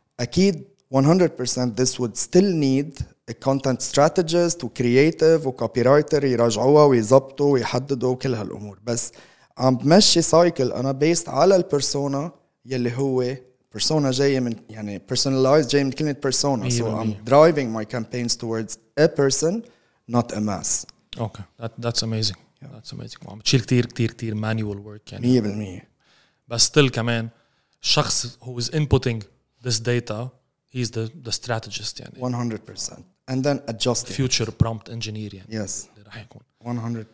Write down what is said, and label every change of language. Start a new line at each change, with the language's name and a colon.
Arabic: اكيد 100% this would still need a content strategist وcreative وcopywriter يراجعوها ويزبطوا ويحددوا كل هالامور, بس عم بمشي سايكل انا بيست على البيرسونا يلي هو بيرسونا جاي من يعني personalized جاي من كلمه persona.
English: So I'm driving my campaigns towards a person not a mass. Okay. That's amazing. Yeah. That's amazing.
Arabic: عم تشيل كتير كتير كتير manual work يعني 100%.
English: بس still كمان الشخص who is inputting this data, he's the strategist يعني 100%. And then adjusting future prompt engineer يعني. Yes.
Arabic: اللي راح يكون